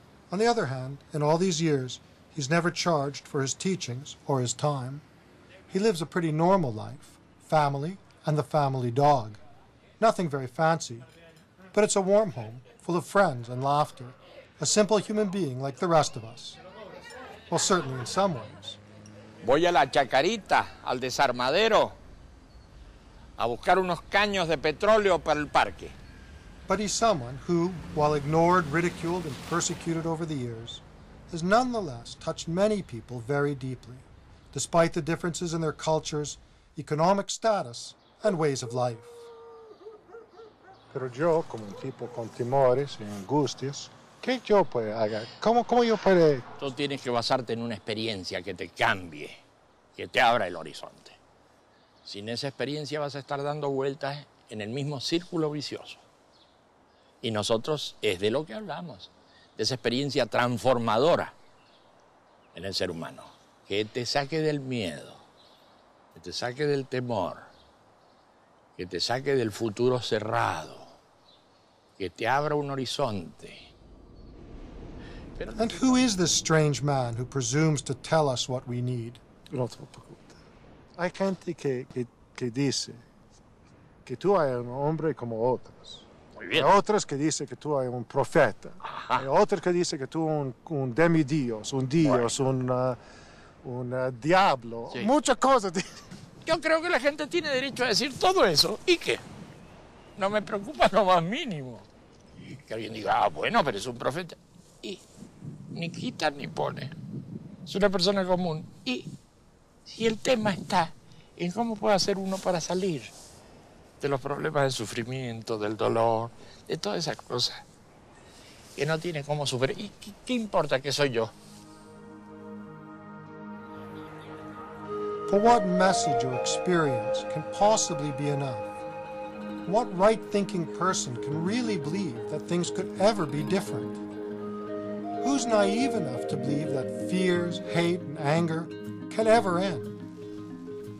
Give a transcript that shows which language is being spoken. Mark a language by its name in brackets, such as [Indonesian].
[English] On the other hand, in all these years, he's never charged for his teachings or his time. He lives a pretty normal life, family and the family dog. Nothing very fancy, but it's a warm home full of friends and laughter. A simple human being like the rest of us. Well, certainly in some ways. [Spanish] Voy a la chacarita, al desarmadero, a buscar unos caños de petróleo para el parque. [English] But he's someone who, while ignored, ridiculed, and persecuted over the years, has nonetheless touched many people very deeply, despite the differences in their cultures, economic status, and ways of life. [Spanish] Pero yo, como un tipo con timores y angustias, ¿qué yo puedo hacer? ¿Cómo yo puedo...? Tú tienes que basarte en una experiencia que te cambie, que te abra el horizonte. Sin esa experiencia vas a estar dando vueltas en el mismo círculo vicioso. Y nosotros es de lo que hablamos, de esa experiencia transformadora en el ser humano, que te saque del miedo, que te saque del temor, que te saque del futuro cerrado, que te abra un horizonte. [English] And who is this strange man who presumes to tell us what we need? [Spanish] No te preocupes. Hay gente que dice que tú eres un hombre como otros. Muy bien. Hay otros que dicen que tú eres un profeta. Ajá. Hay otros que dicen que tú eres un demidios, un dios, un diablo. Sí. Muchas cosas. Yo creo que la gente tiene derecho a decir todo eso. ¿Y qué? No me preocupa lo más mínimo. Que alguien diga, ah, bueno, pero es un profeta. Y ni quita ni pone. Es una persona común. Y si el tema está en cómo puede hacer uno para salir de los problemas del sufrimiento, del dolor, de todas esas cosas que no tiene cómo sufrir. ¿Y qué importa que soy yo? [English] For what message or experience can possibly be enough? What right-thinking person can really believe that things could ever be different? Who's naive enough to believe that fears, hate, and anger can ever end?